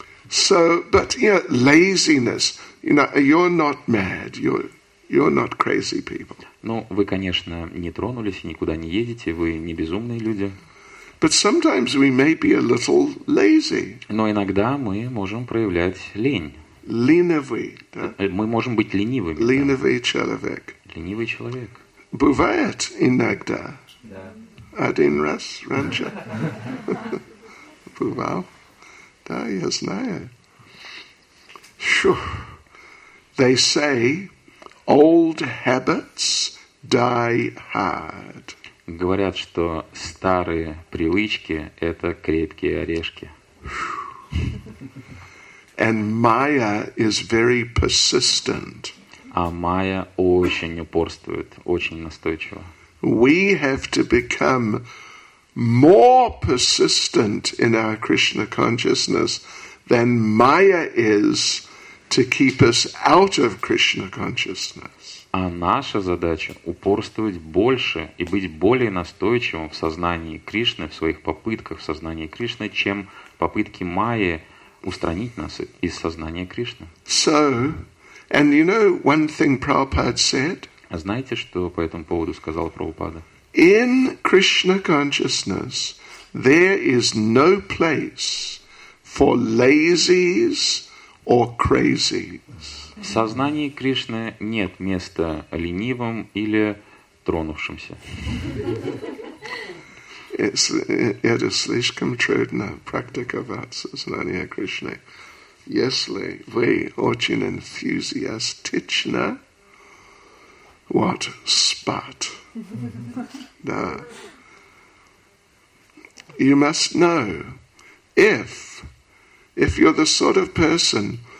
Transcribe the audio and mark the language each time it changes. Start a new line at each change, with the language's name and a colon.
English: So, but yeah, laziness. You know, you're not mad. You're not crazy people.
Russian: Ну, вы, конечно, не тронулись, никуда не едете, вы не безумные люди.
English: But sometimes we may be a little lazy.
Russian: Но иногда мы можем проявлять лень. Ленивый, да? Мы можем быть ленивыми. Ленивый человек. Ленивый человек. Бывает иногда. Да. Один раз раньше. Бывал. Да, я знаю. Шух.
English: They say old habits die hard.
Russian: Говорят, что старые привычки – это крепкие орешки.
English: And Maya is very persistent.
Russian: А Maya очень упорствует, очень настойчива.
English: We have to become more persistent in our Krishna consciousness than Maya is. To keep us out of Krishna consciousness.
Russian: А наша задача упорствовать больше и быть более настойчивым в сознании Кришны, в своих попытках в сознании Кришны, чем попытки Майи устранить нас из сознания Кришны.
English: So, and you know one thing Prabhupada said?
Russian: А знаете, что по этому поводу сказал Прабхупада?
English: In Krishna consciousness there is no place for lazies. Or crazy.
Russian: В сознании Кришны нет места ленивым или тронувшимся. Это слишком трудно практиковать сознание Кришны, если вы очень энтузиастично, спат. Да.
English: You must know if you're the sort of person.